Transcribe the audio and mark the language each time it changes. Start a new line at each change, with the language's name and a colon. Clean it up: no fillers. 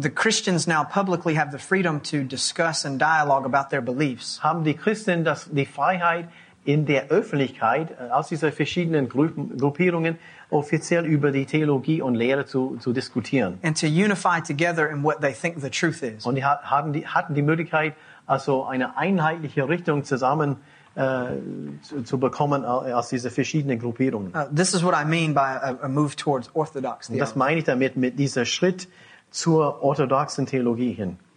English: The Christians now publicly have the freedom to discuss and dialogue about their beliefs.
German: Haben die Christen die Freiheit in der Öffentlichkeit aus dieser verschiedenen Gruppierungen offiziell über die Theologie und Lehre zu diskutieren.
English: And to unify together in what they think the truth is.
German: Und hatten die Möglichkeit, also eine einheitliche Richtung zusammen zu bekommen aus diesen verschiedenen Gruppierungen.
English: This is what I mean by a move towards orthodox theology.
German: Das meine ich damit, mit dieser Schritt zur orthodoxen Theologie hin.